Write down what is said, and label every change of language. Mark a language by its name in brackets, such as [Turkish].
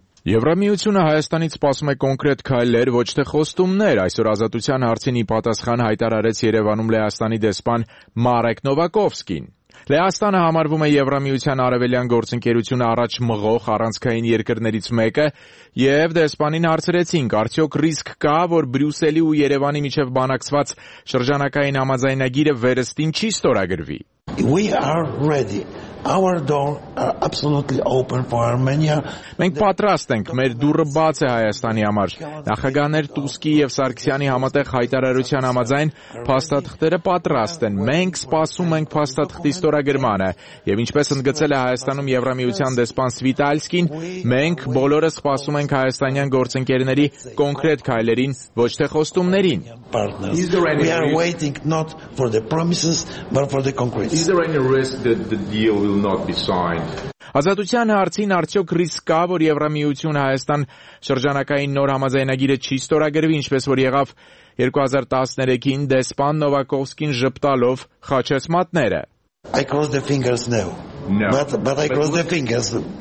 [Armenian] Եվրամիությունը Հայաստանից սպասում է կոնկրետ քայլեր, ոչ թե խոստումներ, այսօր ազատության հարցին ի պատասխան հայտարարեց Երևանում Լեհաստանի դեսպան Մարեկ Նովակովսկին։ Լեհաստանը համարվում է Եվրամիության արևելյան գործընկերությունը առաջ մղող առանցքային երկրներից մեկը, և դեսպանին հարցրեցինք, արդյոք ռիսկ կա, որ Բրյուսելի ու Երևանի միջև բանակցված շրջանակային համաձայնագիրը վերստին չի ստորագրվի։ [English] We are ready Our doors are absolutely open for Armenia. [Armenian] Մենք պատրաստ ենք, մեր դուրը բաց է Հայաստանի համար։ Նախագահներ Տուսկի և Սարգսյանի համատեղ հայտարարության համաձայն փաստաթղթերը պատրաստ են։ Մենք սպասում ենք փաստաթղթի ստորագրմանը, և ինչպես ընդգծել է Հայաստանում Եվրամիության դեսպան Սվիտալսկին, մենք բոլորս սպասում ենք հայաստանյան գործընկերների կոնկրետ քայլերին, ոչ թե խոստումներին։ [English] We are waiting not for the promises but for the concrete. Is there any risk that the deal will not be signed? [Armenian] Ազատության հարցին արդյոք ռիսկ կա, որ Եվրամիություն Հայաստան շրջանակային նոր համաձայնագիրը չի ստորագրվի, ինչպես որ եղավ 2013-ին դեսպան Նովակովսկին ժպտալով խաչեց մատները։ [English] I cross the fingers now. No. But I cross the fingers.